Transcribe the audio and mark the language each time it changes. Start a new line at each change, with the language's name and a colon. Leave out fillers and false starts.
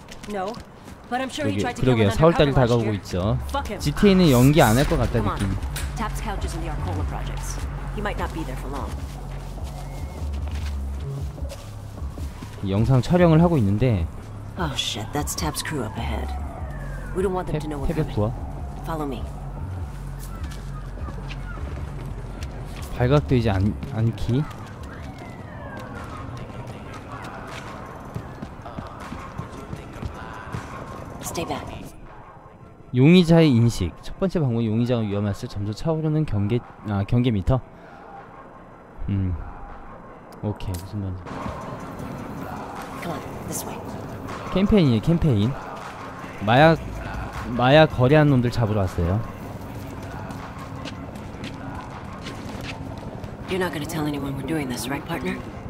English: No, but I'm sure he tried to.
Korean: 그러게요. 4월달이 다가오고 있죠. GTA는 연기 안 할 것 같다 느낌.
English: Tap's couch is in the Arcola projects. He might not be there for long.
Korean: 영상 촬영을 하고 있는데.
English: Oh shit, that's Tap's crew up ahead. We don't want them to know we're coming. Follow me.
Korean: 발각되지 않기. 용의자의 인식. 첫 번째 방문 용의자가 위험했을 점수 차오르는 경계 아 경계 미터. 오케이 무슨 말인지.
English: Come on, this way.
Korean: 캠페인이에요 캠페인. 마약 거래한 놈들 잡으러 왔어요.
English: You're not gonna tell anyone we're doing this, right, partner?